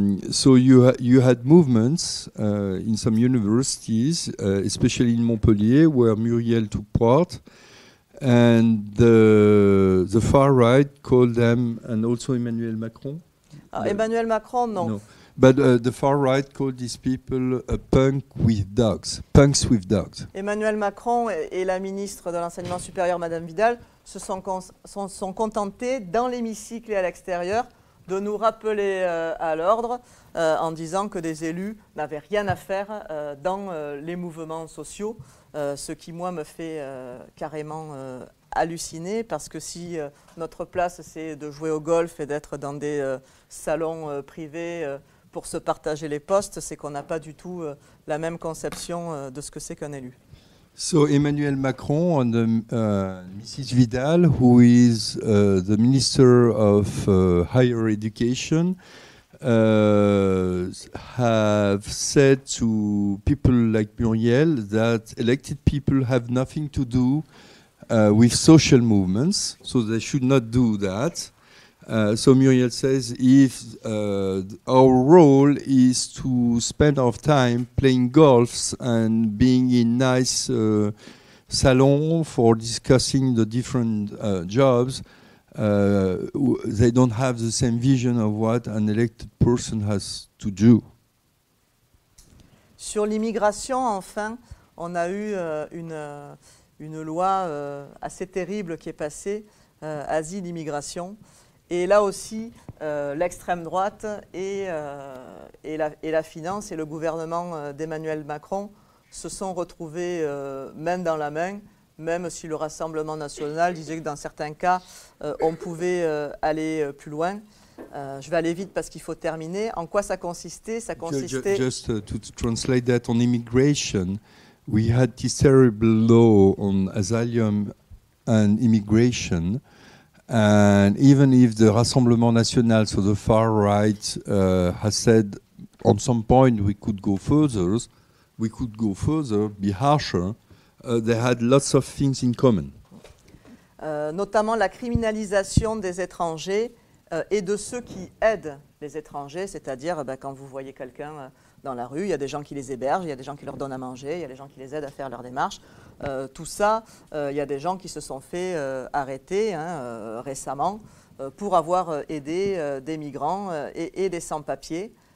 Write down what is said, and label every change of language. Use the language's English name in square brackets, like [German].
[English] So you had movements in some universities, especially in Montpellier, where Muriel took part, and the far right called them, and also Emmanuel Macron. Emmanuel Macron, [French] non. [English] No. But the far right called these people punks with dogs. [French] Emmanuel Macron et la ministre de l'enseignement supérieur, Madame Vidal, se sont contentés dans l'hémicycle et à l'extérieur de nous rappeler à l'ordre en disant que des élus n'avaient rien à faire dans les mouvements sociaux, ce qui, moi, me fait carrément halluciner, parce que si notre place, c'est de jouer au golf et d'être dans des salons privés pour se partager les postes, c'est qu'on n'a pas du tout la même conception de ce que c'est qu'un élu. [English] So Emmanuel Macron and Mrs. Vidal, who is the Minister of Higher Education, have said to people like Muriel that elected people have nothing to do with social movements, so they should not do that. So Muriel says, if our role is to spend our time playing golfs and being in nice salon for discussing the different jobs, they don't have the same vision of what an elected person has to do. [French] Sur l'immigration, enfin, on a eu une loi assez terrible qui est passée, asile immigration. Et là aussi, l'extrême droite et la finance et le gouvernement d'Emmanuel Macron se sont retrouvés main dans la main, même si le Rassemblement national disait que dans certains cas, on pouvait aller plus loin. Je vais aller vite parce qu'il faut terminer. En quoi ça consistait ? Ça consistait... [English] Just to translate that on immigration, we had this terrible law on asylum and immigration. And even if the Rassemblement National, so the far right, has said on some point we could go further, be harsher, they had lots of things in common. [French] Notamment la criminalisation des étrangers et de ceux qui aident les étrangers, c'est-à-dire quand vous voyez quelqu'un dans la rue, il y a des gens qui les hébergent, il y a des gens qui leur donnent à manger, il y a des gens qui les aident à faire leurs démarches. Tout ça, il y a des gens qui se sont fait arrêter récemment pour avoir aidé des migrants et des sans-papiers.